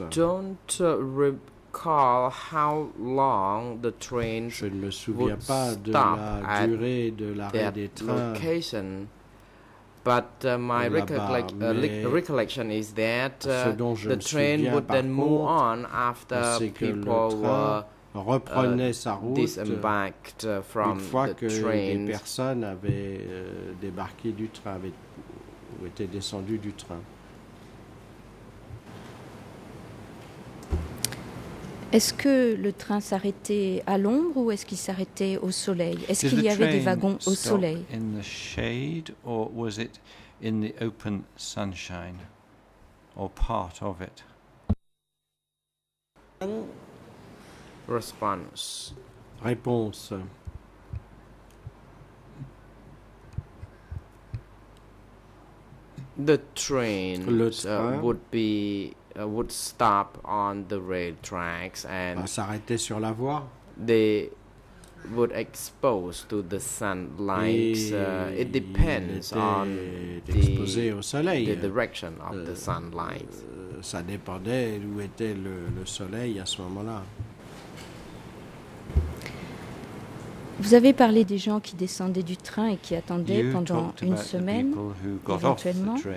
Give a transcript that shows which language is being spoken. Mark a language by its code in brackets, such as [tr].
[en] I don't recall how long the trains would stop at their location. But my recollection is that the train would then move on after people were disembarked from the train. [fr] Des personnes avaient débarqué du train, avaient ou étaient descendues du train. Est-ce que le train s'arrêtait à l'ombre ou est-ce qu'il s'arrêtait au soleil? Est-ce [en] Did [fr] qu'il y avait des wagons au soleil? [en] In the shade or was it in the open sunshine or part of it? [fr] Réponse. [en] The train would be would stop on the rail tracks and [fr] s'arrêter sur la voie. [en] They would expose to the sunlight. It depends on the direction of the sunlight. [fr] Ça dépendait où était le soleil à ce moment-là. Vous avez parlé des gens qui descendaient du train et qui attendaient pendant une semaine, éventuellement.